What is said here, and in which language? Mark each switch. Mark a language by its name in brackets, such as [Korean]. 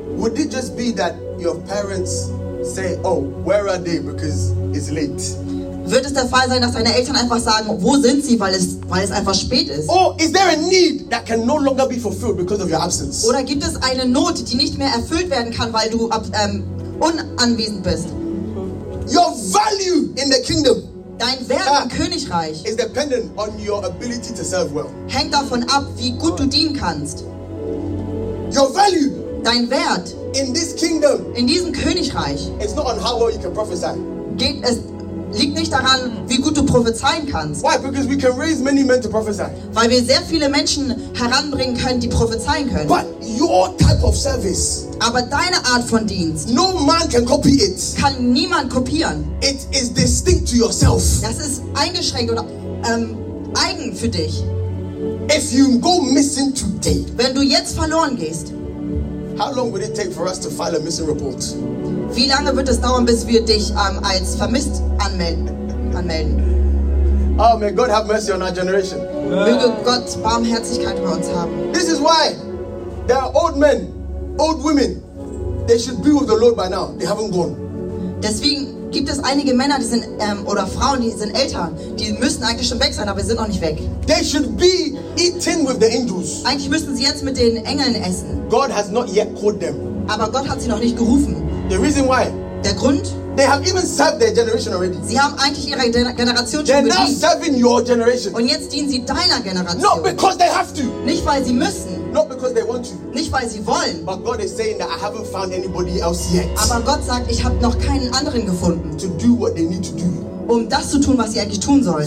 [English] Would it just be that your parents say, oh, where are they because it's late? [German] Wird es der Fall sein, dass deine Eltern einfach sagen, wo sind sie, weil es einfach spät ist? [English] Oh, is there a need that can no longer be fulfilled because of your absence? [German] Oder gibt es eine Not, die nicht mehr erfüllt werden kann, weil du unanwesend bist? [English] Your value in the kingdom. [German] Dein Wert im Königreich. [English] Is dependent on your ability to serve well. [German] Hängt davon ab, wie gut du dienen kannst. [English] Your value. [German] Dein Wert. [English] In this kingdom. [German] In diesem Königreich. [English] It's not on how well you can prophesy. [German] Liegt nicht daran, wie gut du prophezeien kannst. [English] Why? Because we can raise many men to prophesy. [German] Weil wir sehr viele Menschen heranbringen können, die prophezeien können. [English] But your type of service. [German] Aber deine Art von Dienst. [English] No man can copy it. [German] Kann niemand kopieren. [English] It is distinct to yourself. [German] Das ist eingeschränkt oder eigen für dich. [English] If you go missing today. [German] Wenn du jetzt verloren gehst. [English] How long would it take for us to file a missing report? [German] Wie lange wird es dauern, bis wir dich als vermisst anmelden? [English] Oh, may God have mercy on our generation. [German] Möge Gott Barmherzigkeit über uns haben. [English] This is why there are old men, old women. They should be with the Lord by now. They haven't gone. [German] Deswegen gibt es einige Männer, die sind oder Frauen, die sind älter. Die müssen eigentlich schon weg sein, aber sind noch nicht weg. [English] They should be eating with the angels. [German] Eigentlich müssten sie jetzt mit den Engeln essen. [English] God has not yet called them. [German] Aber Gott hat sie noch nicht gerufen. [English] The reason why? [German] Der Grund? [English] They have even served their generation already. [German] Sie haben eigentlich ihre Generation gedient. [English] They're now serving your generation. [German] Und jetzt dienen sie deiner Generation. [English] Not because they have to. [German] Nicht weil sie müssen. [English] Not because they want to. [German] Nicht weil sie wollen. [English] But God is saying that I haven't found anybody else yet. [German] Aber Gott sagt, ich habe noch keinen anderen gefunden. [English] To do what they need to do. [German] Um das zu tun, was sie eigentlich tun sollen.